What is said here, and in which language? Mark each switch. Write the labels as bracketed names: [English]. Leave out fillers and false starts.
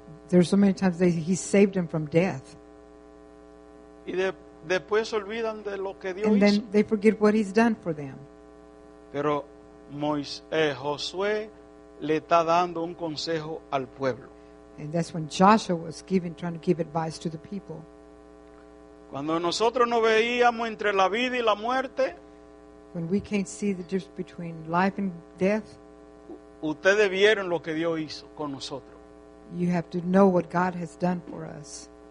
[English] There's so many times that he saved them from death. [Spanish] Y después se olvidan de lo que Dios hizo. [English] And then they forget what he's done for them. [Spanish] Pero Josué le está dando un consejo al pueblo. [English] And that's when Joshua was trying to give advice to the people. [Spanish] Cuando nosotros no veíamos entre la vida y la muerte, [English] when we can't see the difference between life and death, [Spanish] ustedes vieron lo que Dios hizo con nosotros. [English] You have to know what God has done for us.